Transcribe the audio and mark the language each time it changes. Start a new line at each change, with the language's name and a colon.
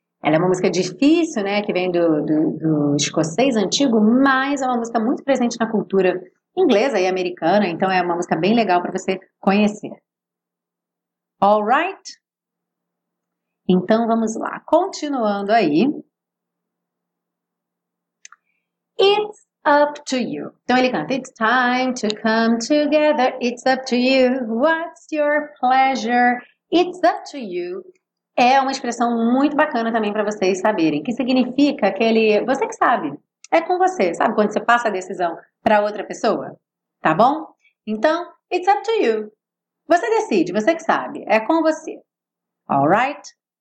Portuguese: Ela é uma música difícil, né, que vem do escocês antigo, mas é uma música muito presente na cultura inglesa e americana, então é uma música bem legal para você conhecer. All right? Então vamos lá, continuando aí.
English: It's up to you. Então ele canta, it's time to come together, it's up to you, what's your pleasure? It's up to you.
Portuguese: É uma expressão muito bacana também para vocês saberem, que significa aquele, você que sabe, é com você, sabe quando você passa a decisão para outra pessoa, tá bom? Então,
English: it's up to you,
Portuguese: você decide, você que sabe, é com você, alright?